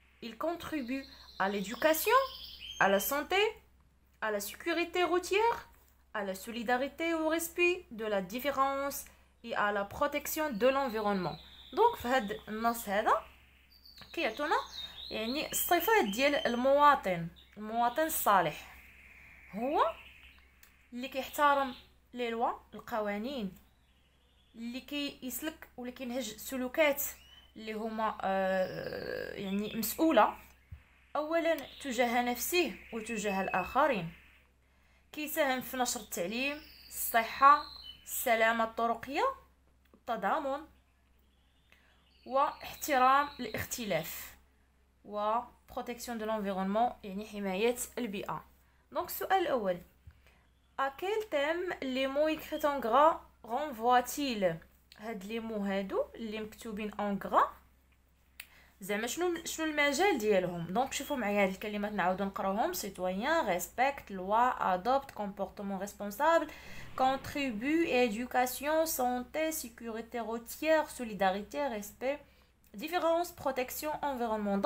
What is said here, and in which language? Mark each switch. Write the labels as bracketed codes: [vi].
[fr] Il contribue à l'éducation, à la santé, à la sécurité routière, à la solidarité au respect de la différence et à la protection de l'environnement. Donc, c'est ce que je veux dire. [ar] هو اللي كيحترم لي لوا القوانين اللي كيسلك واللي كينهج سلوكات اللي هما يعني مسؤوله اولا تجاه نفسه وتجاه الاخرين كيساهم في نشر التعليم الصحه السلامه الطرقيه التضامن واحترام الاختلاف و بروتيكسيون دو لانفيرونمون يعني حمايه البيئه. Donc, سؤال أول. [fr] À quel thème les mots écrits en gras renvoient-ils? [ar] هاد لي مو هادو اللي مكتوبين [fr] en gras [ar] زعما شنو المجال ديالهم؟ Donc, شوفوا معايا هاد الكلمات نعاودو نقراوهم. [fr] Citoyen, respect, loi, adopte, comportement responsable, contribue, éducation, santé, sécurité routière, solidarité, respect, différence, protection, environnement.